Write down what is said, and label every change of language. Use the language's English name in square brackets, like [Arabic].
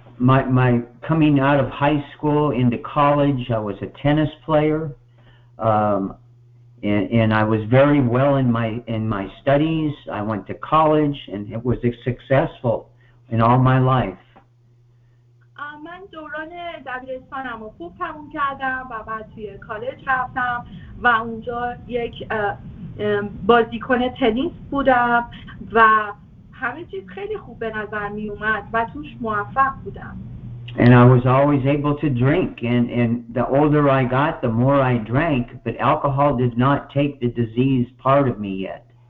[English] My coming out of high school into college, I was a tennis player. And I was very well in my studies. I went to college and it was successful in all my life. [Persian] من دوران دبیرستانم رو خوب تموم کردم و بعد توی کالج رفتم و اونجا یک بازیکن تنیس بودم و همه چیز خیلی خوب به نظر می اومد و توش موفق بودم. [English] And I was always able to drink, and the older I got, the more I drank, but alcohol did not take the disease part of me yet.